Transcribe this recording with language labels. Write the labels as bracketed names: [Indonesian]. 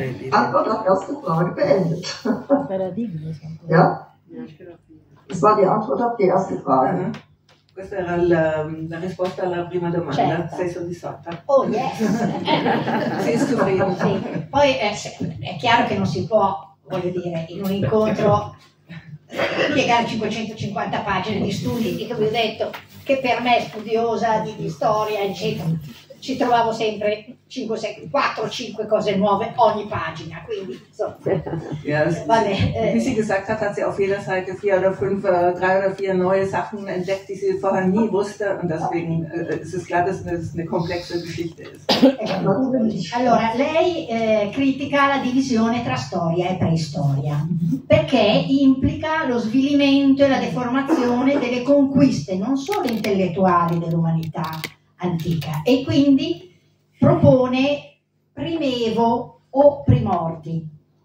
[German] Antwort auf erste Frage beendet. Paradigma. Ja? Das war die Antwort auf die erste Frage. [Italian] Questa era la risposta alla prima domanda. Certo. Sei soddisfatta? [English] Oh yes! [Italian] Sei stupenda. Sì. Poi è chiaro che non si può, voglio dire, in un incontro spiegare 550 pagine di studi, e come ho detto, che per me studiosa di storia, eccetera, ci trovavo sempre 4-5 cose nuove ogni pagina, quindi insomma. [English] Yes. [German] Wie sie gesagt hat, hat sie auf jeder Seite 3 oder 4 neue Sachen entdeckt, die sie vorher nie wusste, und deswegen ist es klar, dass es eine komplexe Geschichte ist. [Italian] Allora, lei critica la divisione tra storia e preistoria, perché implica lo svilimento e la deformazione delle conquiste non solo intellettuali dell'umanità antica, e quindi propone primevo o primordi.